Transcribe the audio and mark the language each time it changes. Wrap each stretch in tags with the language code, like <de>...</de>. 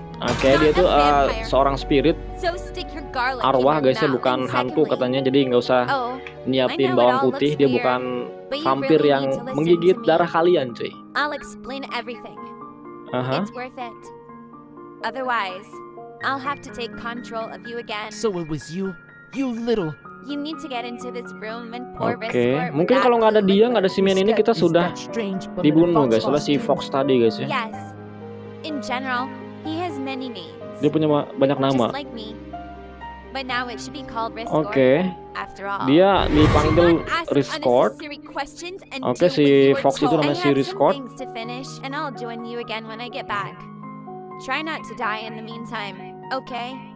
<id>Okay, dia tuh seorang spirit. Arwah guys, dia bukan hantu katanya, jadi enggak usah nyiapin bawang putih, dia bukan vampir yang menggigit darah kalian, cuy.</id> <en>I'll explain everything. It's worth it. Otherwise, I'll have to take control of you again. So it was you, you little. You need to get into this room and pour risk.</en> <id>Oke, mungkin kalau nggak ada dia, nggak ada si Mian ini, kita sudah dibunuh, guys. Soalnya si Fox tadi, guys, ya.</id> <en>Yes. In general, he has many names.</en> <id>Dia punya banyak nama.</id> <en>Just like me. But now it should be called Risk. Oke. After all.</en> <id>Dia dipanggil Risk. Oke, okay, si Fox itu namanya si Risk.</id> <en>I have some things to finish, and I'll join you again when I get back. Try not to die in the meantime, okay?</en>